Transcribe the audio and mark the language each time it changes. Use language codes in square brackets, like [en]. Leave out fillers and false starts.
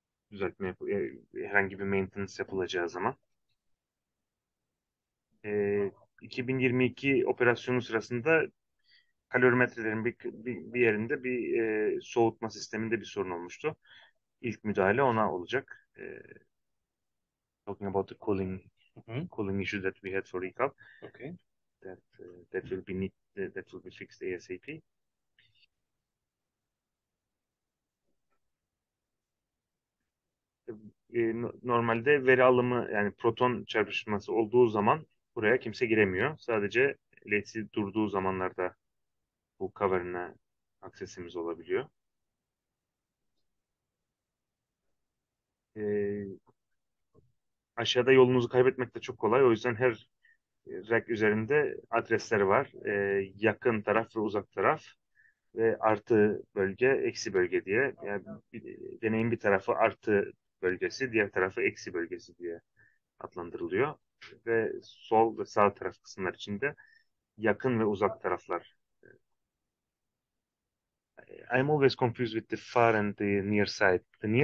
[tr] Düzeltme herhangi bir maintenance yapılacağı zaman. 2022 operasyonu sırasında kalorimetrelerin bir yerinde bir soğutma sisteminde bir sorun olmuştu. İlk müdahale ona olacak. [en] Talking about the cooling issue that we had for recap. That that will be fixed ASAP. [tr] Normalde veri alımı yani proton çarpışması olduğu zaman buraya kimse giremiyor. Sadece LHC durduğu zamanlarda bu cavern'e aksesimiz olabiliyor. Aşağıda yolunuzu kaybetmek de çok kolay. O yüzden her rack üzerinde adresleri var. Yakın taraf ve uzak taraf ve artı bölge, eksi bölge diye. Yani deneyin bir tarafı artı bölgesi, diğer tarafı eksi bölgesi diye adlandırılıyor. Ve sol ve sağ taraf kısımlar içinde yakın ve uzak taraflar. [en] I'm always confused with the far and the near side. The near